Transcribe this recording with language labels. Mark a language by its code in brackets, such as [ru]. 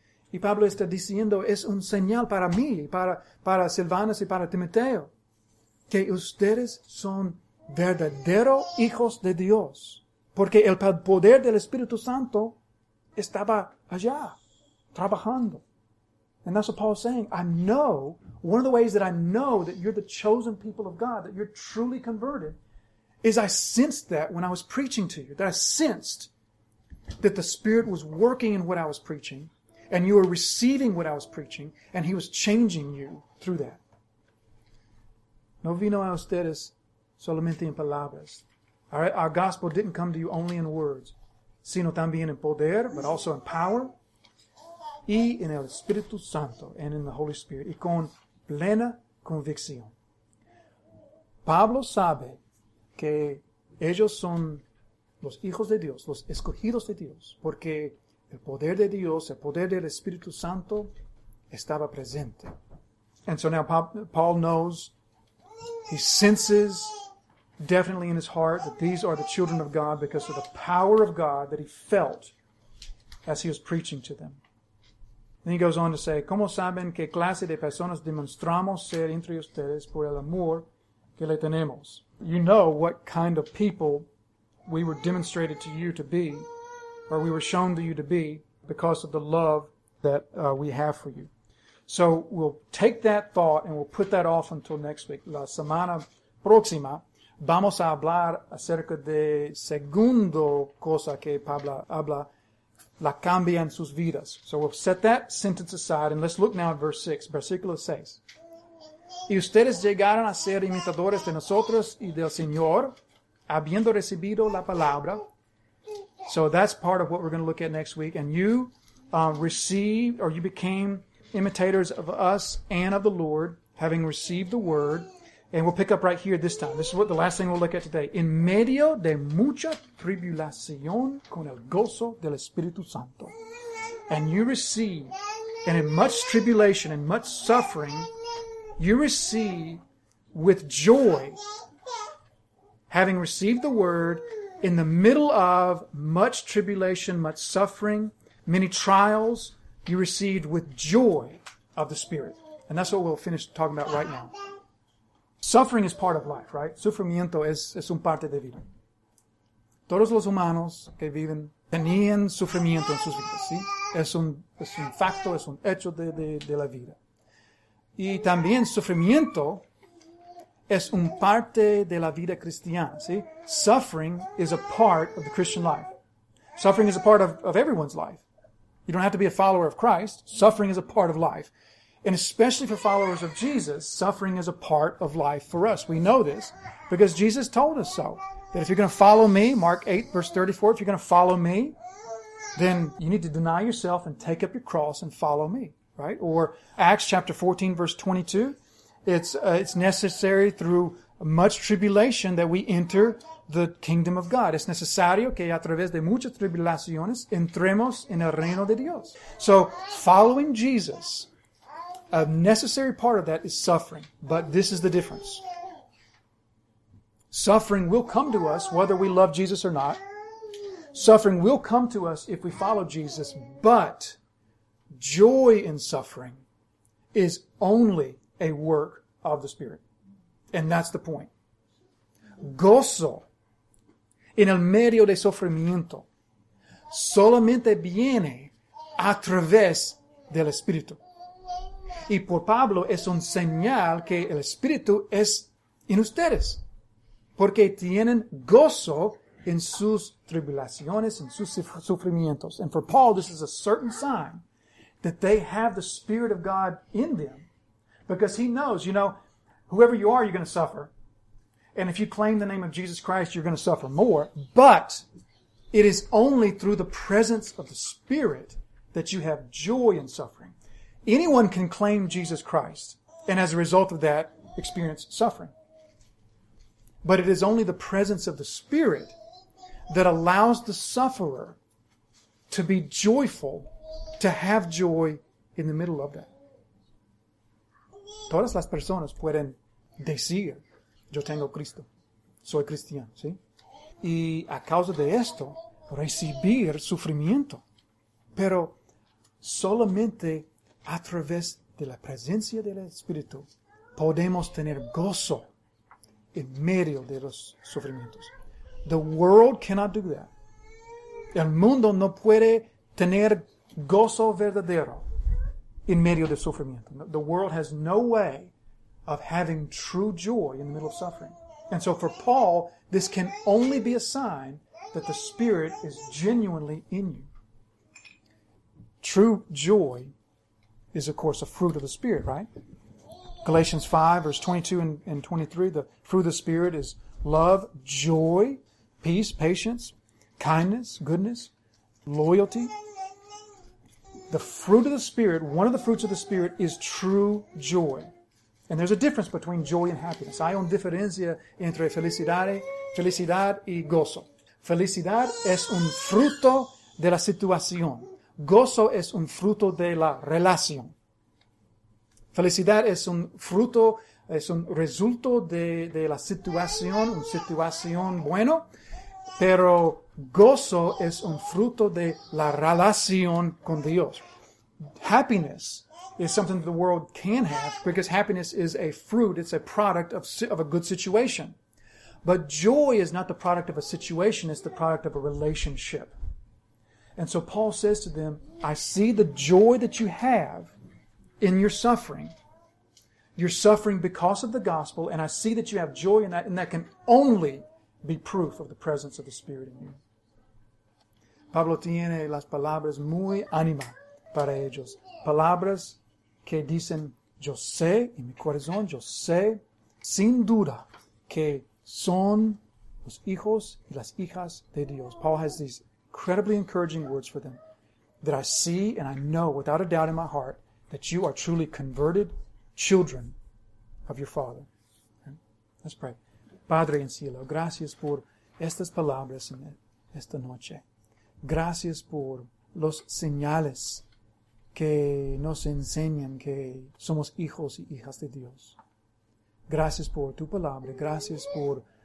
[es] Y Pablo está diciendo, es un señal para mí, para Silvanas y para Timoteo, que ustedes son verdaderos hijos de Dios, porque el poder del Espíritu Santo estaba allá, trabajando. [en] And that's what Paul's saying. I know, one of the ways that I know that you're the chosen people of God, that you're truly converted, is I sensed that when I was preaching to you, that I sensed that the Spirit was working in what I was preaching, and you were receiving what I was preaching, and He was changing you through that. [es] No vino a ustedes solamente en palabras. [en] Our gospel didn't come to you only in words, [es] sino también en poder, [en] but also in power, [es] y en el Espíritu Santo, [en] and in the Holy Spirit, [es] y con plena convicción. Pablo sabe que ellos son los hijos de Dios, los escogidos de Dios, porque el poder de Dios, el poder del Espíritu Santo estaba presente. [en] And so now Paul knows, he senses definitely in his heart that these are the children of God because of the power of God that he felt as he was preaching to them. Then he goes on to say, [es] ¿cómo saben qué clase de personas demostramos ser entre ustedes por el amor que le tenemos? [en] You know what kind of people we were demonstrated to you to be, or we were shown to you to be, because of the love that we have for you. So we'll take that thought and we'll put that off until next week. [es] La semana próxima vamos a hablar acerca de segundo cosa que Pablo habla, la cambia en sus vidas. [en] So we'll set that sentence aside and let's look now at verse 6. [es] Versículo 6. Y ustedes llegaron a ser imitadores de nosotros y del Señor, habiendo recibido la palabra. [en] So that's part of what we're going to look at next week. And you received, or you became imitators of us and of the Lord, having received the word. And we'll pick up right here this time. This is what the last thing we'll look at today. [es] En medio de mucha tribulación con el gozo del Espíritu Santo. [en] And you receive, and in much tribulation and much suffering, you receive with joy, having received the word in the middle of much tribulation, much suffering, many trials, you received with joy of the Spirit. And that's what we'll finish talking about right now. Suffering is part of life, right? [es] Sufrimiento es un parte de vida. Todos los humanos que viven tenían sufrimiento en sus vidas, ¿sí? Es un facto, es un hecho de la vida. Y también sufrimiento es un parte de la vida cristiana, ¿sí? [en] Suffering is a part of the Christian life. Suffering is a part of everyone's life. You don't have to be a follower of Christ. Suffering is a part of life. And especially for followers of Jesus, suffering is a part of life for us. We know this because Jesus told us so. That if you're going to follow me, Mark 8, verse 34, if you're going to follow me, then you need to deny yourself and take up your cross and follow me, right? Or Acts chapter 14, verse 22, it's necessary through much tribulation that we enter the kingdom of God. [es] Es necesario que a través de muchas tribulaciones entremos en el reino de Dios. [en] So following Jesus, a necessary part of that is suffering. But this is the difference. Suffering will come to us whether we love Jesus or not. Suffering will come to us if we follow Jesus, but joy in suffering is only a work of the Spirit. And that's the point. [es] Gozo en el medio de sufrimiento solamente viene a través del Espíritu. Y por Pablo es un señal que el Espíritu es en ustedes. Porque tienen gozo en sus tribulaciones, en sus sufrimientos. [en] And for Paul, this is a certain sign that they have the Spirit of God in them. Because he knows, you know, whoever you are, you're going to suffer. And if you claim the name of Jesus Christ, you're going to suffer more. But it is only through the presence of the Spirit that you have joy in suffering. Anyone can claim Jesus Christ, and as a result of that, experience suffering. But it is only the presence of the Spirit that allows the sufferer to be joyful, to have joy in the middle of that. [es] Todas las personas pueden decir, yo tengo Cristo, soy cristiano, ¿sí? Y a causa de esto, recibir sufrimiento, pero solamente a través de la presencia del Espíritu podemos tener gozo en medio de los sufrimientos. [en] The world cannot do that. [es] El mundo no puede tener gozo verdadero en medio de sufrimiento. [en] The world has no way of having true joy in the middle of suffering. And so for Paul, this can only be a sign that the Spirit is genuinely in you. True joy is, of course, a fruit of the Spirit, right? Galatians 5, verse 22 and 23, the fruit of the Spirit is love, joy, peace, patience, kindness, goodness, loyalty. The fruit of the Spirit, one of the fruits of the Spirit, is true joy. And there's a difference between joy and happiness. [es] Hay una diferencia entre felicidad y gozo. Felicidad es un fruto de la situación. Gozo es un fruto de la relación. Felicidad es un fruto, es un resulto de la situación, una situación buena, pero gozo es un fruto de la relación con Dios. [en] Happiness is something that the world can have because happiness is a fruit, it's a product of a good situation. But joy is not the product of a situation, it's the product of a relationship. And so Paul says to them, I see the joy that you have in your suffering. You're suffering because of the gospel, and I see that you have joy in that, and that can only be proof of the presence of the Spirit in you. [es] Pablo tiene las palabras muy ánima para ellos. Palabras que dicen, yo sé, en mi corazón, yo sé, sin duda, que son los hijos y las hijas de Dios. [en] Paul has these incredibly encouraging words for them, that I see and I know without a doubt in my heart that you are truly converted children of your Father. Okay? Let's pray. [es] Padre en cielo, gracias por estas palabras en esta noche. Gracias por los señales que nos enseñan que somos hijos y hijas de Dios. Gracias por tu palabra. Gracias por